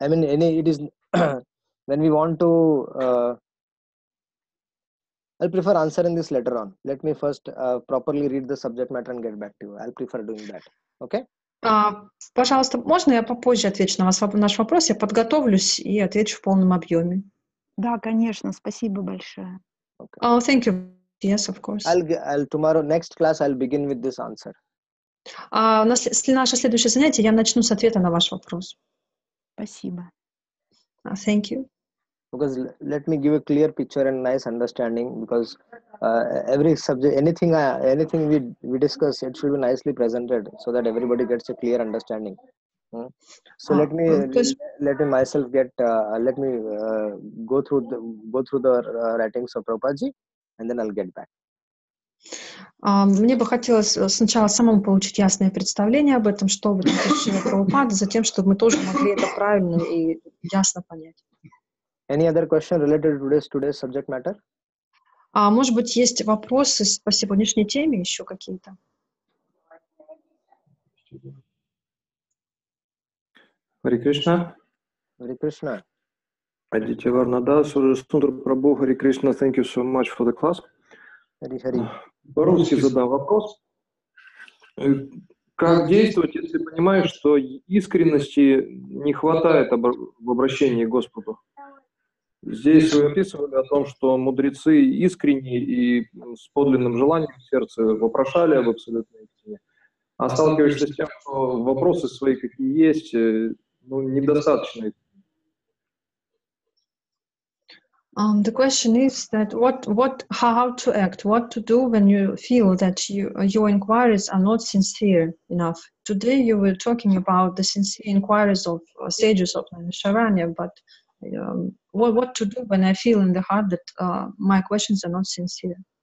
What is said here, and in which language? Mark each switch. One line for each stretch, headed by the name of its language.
English: When we want to, I'll prefer answering this later on. Let me first properly read the subject matter and get back to you. I'll prefer doing that. Okay.
Russian: Пожалуйста, можно я попозже отвечу на наш вопрос? Я подготовлюсь и отвечу в полном объеме. Да, конечно. Спасибо большое.
English: Okay. Oh, thank you. Yes, of course. Next class I'll begin with this answer.
Russian: Наше следующее занятие, я начну с ответа на ваш вопрос. Спасибо.
English: Thank you. Because let me give a clear picture and nice understanding, because every subject, anything we discuss, it should be nicely presented so that everybody gets a clear understanding. So let me go through the writings of Prabhupada, and then I'll get back.
Russian: Мне бы хотелось сначала самому получить ясное представление об этом, что будет учение Прабхупады, затем, чтобы мы тоже могли это правильно и ясно понять.
English: Any other question related to today's subject matter?
Russian: Может быть, есть вопросы по сегодняшней теме еще какие-то?
English: Hare Krishna. Hare Krishna. Aditya Varnada, Sundar Prabhu, Hare Krishna, thank you so much for the class. Hare Hare.
Russian: Русский задал вопрос. Как действовать, если понимаешь, что искренности не хватает в обращении к Господу? Здесь вы описывали о том, что мудрецы искренне и с подлинным желанием в сердце вопрошали об абсолютной истине. А сталкиваешься с тем, что вопросы свои, какие есть, ну, недостаточные.
English: The question is that how to act, what to do when you feel that your inquiries are not sincere enough. Today you were talking about the sincere inquiries of sages of Nisharanya, but what to do when I feel in the heart that my questions are not sincere?